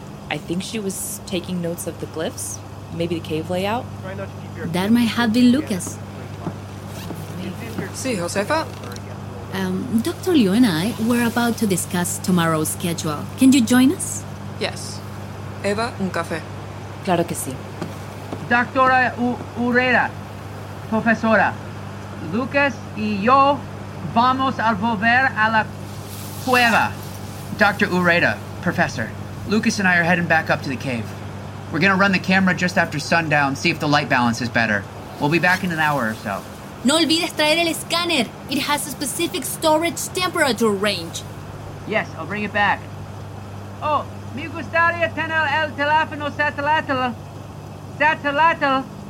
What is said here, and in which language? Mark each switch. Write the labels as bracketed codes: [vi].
[en] I think she was taking notes of the glyphs, maybe the cave layout. That might have been Lucas. [es] Sí, Josefa? [en] Dr. Liu and I were about to discuss tomorrow's schedule. Can you join us? [es] Yes. Eva, un café. Claro que sí. Doctora Urrera, profesora, Lucas y yo vamos a volver a la cueva. [en] Dr. Urrera, professor, Lucas and I are heading back up to the cave. We're going to run the camera just after sundown, see if the light balance is better. We'll be back in an hour or so. [es] No olvides traer el escáner. [en] It has a specific storage temperature range. Yes, I'll bring it back. [es] Oh, me gustaría tener el teléfono satelital. Satelital.